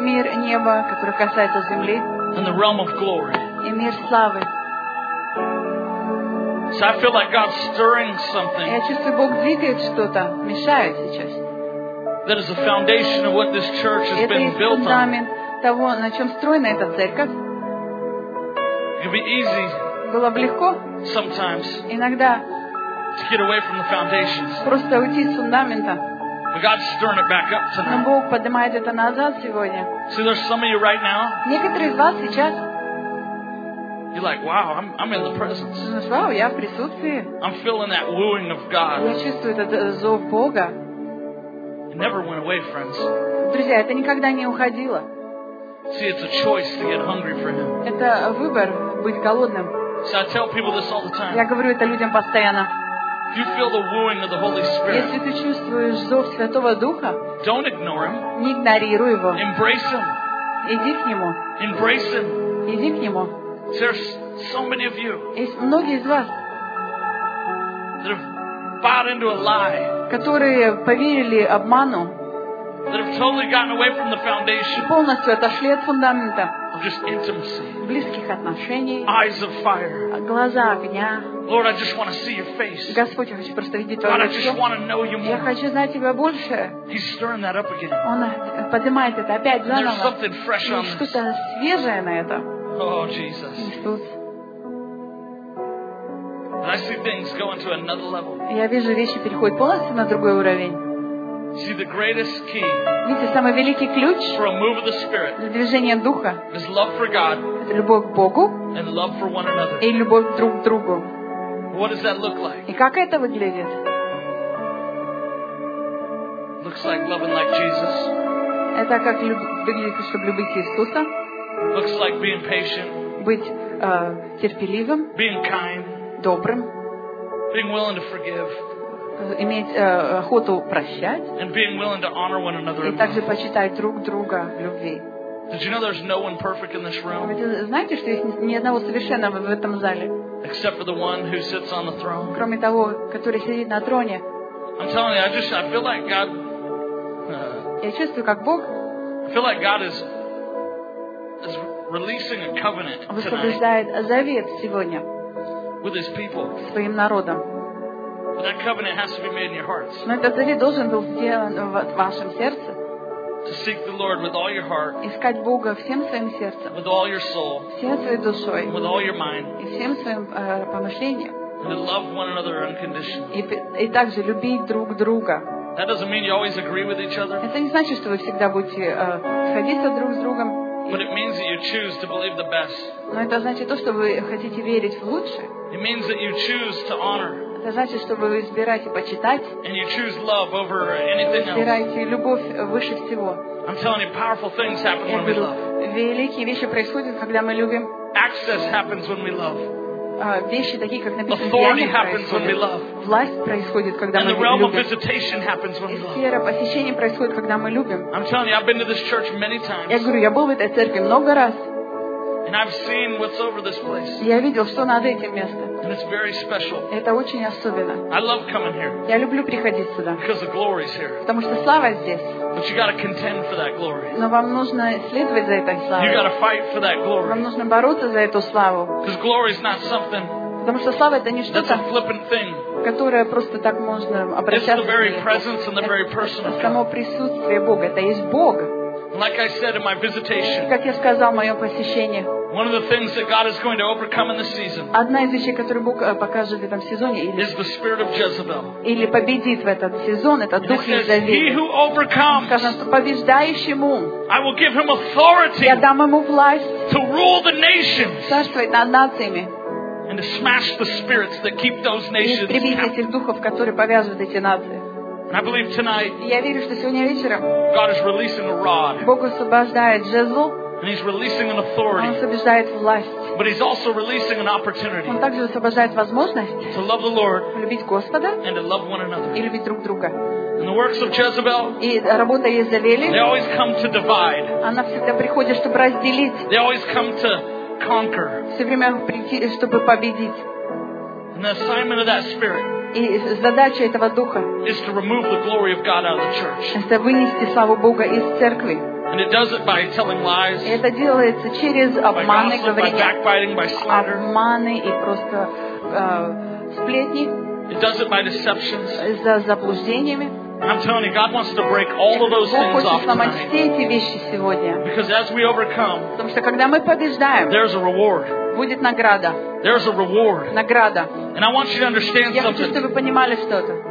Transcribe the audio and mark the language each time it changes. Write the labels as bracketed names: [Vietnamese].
[Russian] Мир неба, который касается земли. [English] And the realm of glory. [Russian] И мир славы. [English] So I feel like God's stirring something. [Russian] Я чувствую, Бог двигает что-то, мешает сейчас. [English] That is the foundation of what this church has been built on. [Russian] Это фундамент того, на чем встроена эта церковь. [English] It'd be easy. [Russian] Было бы легко. [English] Sometimes. [Russian] Иногда. [English] To get away from the foundations. [Russian] Просто уйти с фундамента. [English] But God's stirring it back up tonight. [Russian] Но Бог поднимает это назад сегодня. [English] See, there's some of you right now. [Russian] Некоторые из вас сейчас. [English] You're like, wow, I'm in the presence. [Russian] Вау, я в присутствии. [English] I'm feeling that wooing of God. [Russian] Я чувствую этот зов Бога. [English] It never went away, friends. [Russian] Друзья, это никогда не уходило. [English] See, it's a choice to get hungry for Him. [Russian] Это выбор быть голодным. [English] So I tell people this all the time. [Russian] Я говорю это людям постоянно. [English] If you feel the wooing of the Holy Spirit, [Russian] если ты чувствуешь зов Святого Духа, [English] don't ignore Him. [Russian] Не игнорируй его. [English] Embrace Him. [Russian] Иди к нему. [English] Embrace Him. [Russian] Иди к нему. [English] There's so many of you. [Russian] Есть многие из вас, [English] that have bought into a lie. [Russian] Которые поверили обману. [English] That have totally gotten away from the foundation. [Russian] Полностью отошли от фундамента. [English] Of just intimacy. [Russian] Близких отношений. [English] Eyes of fire. [Russian] Глаза огня. [English] Lord, I just want to see your face. [Russian] Господь, я хочу просто видеть твое лицо. [English] God, I just want to know you more. [Russian] Я хочу знать тебя больше. [English] He's stirring that up again. [Russian] Он поднимает это опять заново. [English] There's something fresh on this. [Russian] Что-то свежее на это. [English] Oh, Jesus. [Russian] Иисус. [English] And I see things going to another level. [Russian] Я вижу вещи переходят полностью на другой уровень. [English] See, the greatest key. [Russian] Видите, самый великий ключ [English] for a move of the Spirit [Russian] для движения Духа. [English] Is love for God. [Russian] Это любовь к Богу. [English] And love for one another. [Russian] И любовь друг к другу. [English] What does that look like? [Russian] И как это выглядит? [English] Looks like loving like Jesus. [Russian] Это как выглядит, чтобы любить Иисуса. [English] Looks like being patient. [Russian] Быть терпеливым. [English] Being kind. [Russian] Добрым. [English] Being willing to forgive. [Russian] Иметь охоту прощать и также почитать друг друга в любви. [English] Did you know there's no one perfect in this room? [Russian] Знаете, что есть ни одного совершенного в этом зале? [English] Except for the one who sits on the throne. [Russian] Кроме того, который сидит на троне. [English] I'm telling you, I feel like God. [Russian] Я чувствую, как Бог. [English] I feel like God is releasing a covenant tonight. [Russian] Высвобождает завет сегодня. [English] With His people. [Russian] Своим народом. [English] But that covenant has to be made in your hearts. [Russian] Но этот завет должен был сделан в вашем сердце. [English] To seek the Lord with all your heart. [Russian] Искать Бога всем своим сердцем. [English] With all your soul. [Russian] Всей своей душой. [English] With all your mind. [Russian] И всем своим помышлением. [English] And to love one another unconditionally. [Russian] И также любить друг друга. [English] That doesn't mean you always agree with each other. [Russian] Это не значит, что вы всегда будете сходиться друг с другом. [English] But it means that you choose to believe the best. [Russian] Но это значит то, что вы хотите верить в лучшее. [English] It means that you choose to honor. [Russian] Это значит, что вы избираете почитать. [English] And you choose love over anything else. [Russian] Избираете любовь выше всего. [English] I'm telling you, powerful things happen when we love. [Russian] Великие вещи происходят, когда мы любим. [English] Access happens when we love. [Russian] вещи, такие как написано, [English] authority happens when we love. [Russian] Власть происходит, когда [English] and [Russian] мы [English] the realm of visitation happens when we love. [Russian] И сфера посещения происходит, когда мы любим. [English] I'm telling you, I've been to this church many times. [Russian] Я говорю, я был в этой церкви много раз. [English] And I've seen what's over this place. [Russian] Я видел, что над этим местом. [English] And it's very special. [Russian] Это очень особенно. [English] I love coming here. [Russian] Я люблю приходить сюда. [English] Because the glory's here. [Russian] Потому что слава здесь. [English] But you got to contend for that glory. [Russian] Но вам нужно следовать за этой славой. [English] You got to fight for that glory. [Russian] Вам нужно бороться за эту славу. [English] Because glory's not something. [Russian] Потому что слава это не что-то. [English] That's a flippant thing. [Russian] Которое просто так можно обращаться. [English] It's the very presence and the very person. [Russian] Это само присутствие Бога. Это есть Бог. [English] Like I said in my visitation. [Russian] Как я сказал в моем посещении. [English] One of the things that God is going to overcome in this season. [Russian] Одна из вещей, которую Бог покажет в этом сезоне. [English] Is the spirit of Jezebel. [Russian] Или победит в этот сезон этот дух Иезавели. [English] He who overcomes. [Russian] Сказано, что побеждающему. [English] I will give him authority. [Russian] Я дам ему власть. [English] To rule the nations. [Russian] Царствовать над нациями. [English] And to smash the spirits that keep those nations. [Russian] Истребить этих духов, которые повязывают эти нации. [English] And I believe tonight. [Russian] Я верю, что сегодня вечером. [English] God is releasing a rod. [Russian] Бог освобождает жезл. [English] And He's releasing an authority. [Russian] Он освобождает власть. [English] But He's also releasing an opportunity. [Russian] Он также освобождает возможность. [English] To love the Lord. [Russian] Любить Господа. [English] And to love one another. [Russian] И любить друг друга. [English] And the works of Jezebel. [Russian] И работа Иезавели. [English] They always come to divide. [Russian] Она всегда приходит, чтобы разделить. [English] They always come to conquer. [Russian] Все время прийти, чтобы победить. [English] And the assignment of that spirit. [Russian] И задача этого духа [English] is to remove the glory of God out of the church. [Russian] Это вынести славу Бога из церкви. [English] And it does it by telling lies. [Russian] И это делается через обманы, говорение, [English] by backbiting, by slander. [Russian] Обманы и просто сплетни. [English] It does it by deceptions. [Russian] За заблуждениями. [English] I'm telling you, God wants to break all of those things off tonight. [Russian] Бог хочет сломать все эти вещи сегодня. [English] Because as we overcome, [Russian] потому что когда мы побеждаем, [English] there's a reward. [Russian] Будет награда. [English] There's a reward. [Russian] Награда. [English] And I want you to understand something. [Russian] Я хочу, чтобы вы понимали что-то.